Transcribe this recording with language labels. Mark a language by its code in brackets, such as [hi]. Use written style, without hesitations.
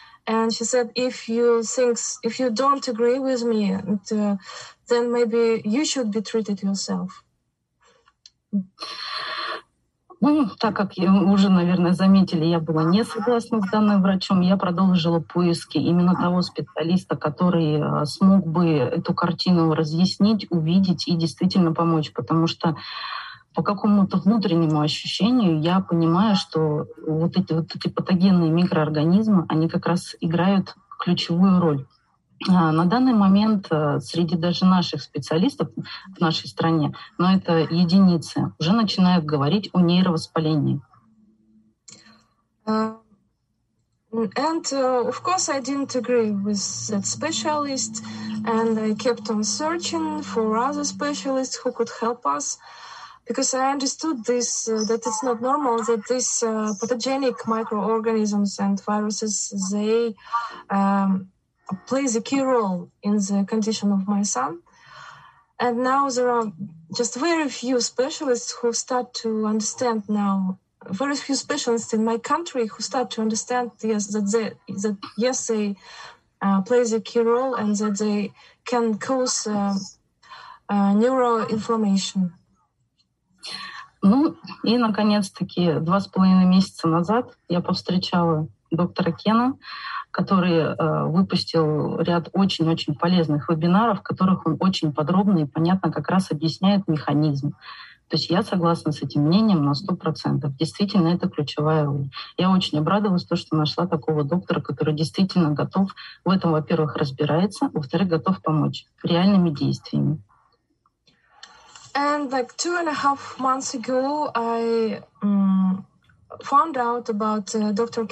[en] And she said, if you don't agree with me, then maybe you should be treated yourself. [ru] Ну, так как уже, наверное, заметили, я была не согласна с данным врачом, я продолжила поиски именно того специалиста, который смог бы эту картину разъяснить, увидеть и действительно помочь, потому что по какому-то внутреннему ощущению я понимаю, что вот эти патогенные микроорганизмы, они как раз играют ключевую роль. На данный момент среди даже наших специалистов в нашей стране, но это единицы, уже начинают говорить о нейровоспалении. [en] And of course I didn't agree with that specialist, and I kept on searching for other specialists who could help us, because I understood this, that it's not normal that these pathogenic microorganisms and viruses, they plays a key role in the condition of my son. And now there are just very few specialists who start to understand now, very few specialists in my country who start to understand, yes, that they plays a key role and that they can cause neuroinflammation. [ru] Ну, и, наконец-таки, 2.5 месяца назад я повстречала доктора Кена, который выпустил ряд очень-очень полезных вебинаров, в которых он очень подробно и понятно как раз объясняет механизм. То есть я согласна с этим мнением на 100%. Действительно, это ключевая роль. Я очень обрадовалась, что нашла такого доктора, который действительно готов в этом, во-первых, разбирается, во-вторых, готов помочь реальными действиями. [en] And like 2.5 months ago, I found out about Dr.